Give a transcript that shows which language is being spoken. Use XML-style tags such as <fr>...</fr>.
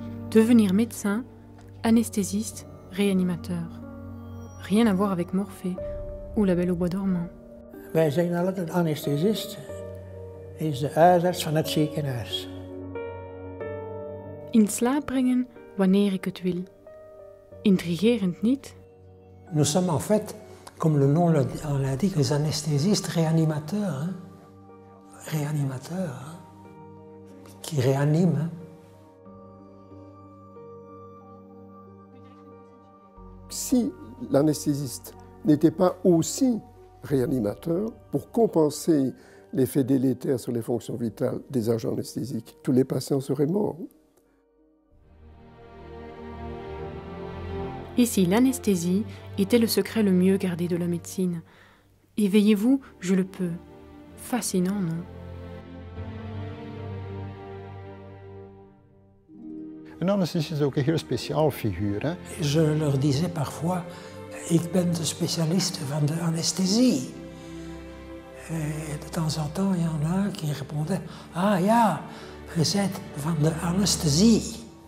<fr>Devenir médecin, anesthésiste, réanimateur. Rien à voir avec Morphée ou la Belle au bois dormant.</fr> <nl>Wij zeggen altijd anesthésiste is de huisarts van het ziekenhuis. In slaap brengen wanneer ik het wil. Intrigerend niet?</nl> <fr>Nous sommes en fait, comme le nom l'indique, les anesthésistes réanimateurs. Réanimateurs, qui réaniment. Si l'anesthésiste n'était pas aussi réanimateur, pour compenser l'effet délétère sur les fonctions vitales des agents anesthésiques, tous les patients seraient morts. Ici, l'anesthésie était le secret le mieux gardé de la médecine. Éveillez-vous, je le peux. Fascinant, non?</fr> <nl>Een anesthésiste is ook een heel speciaal figuur. Hè?</nl> <fr>Je leur disais parfois,</fr> <nl>ik ben de spécialiste van de anesthésie.</nl> <fr>Et de temps en temps, il y en a un qui répondait, ah ja, je suis</fr> <nl>van de anesthésie.</nl>